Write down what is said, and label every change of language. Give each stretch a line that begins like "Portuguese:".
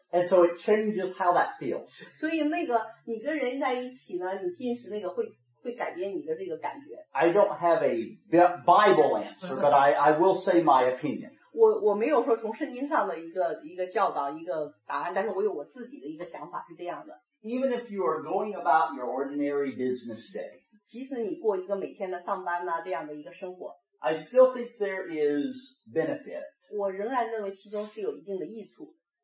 English: And so it changes how that feels.
Chinese: 所以那个,你跟人在一起呢,你进食那个会改变你的这个感觉。
English: I don't have a Bible answer, but I will say my opinion.
Chinese: 我没有说从圣经上的一个教导,一个答案,但是我有我自己的一个想法是这样的。
English: Even if you are going about your ordinary business day,
Chinese: 即使你过一个每天的上班啊,这样的一个生活,
English: I still think there is benefit
Chinese: 我仍然认为其中是有一定的益处,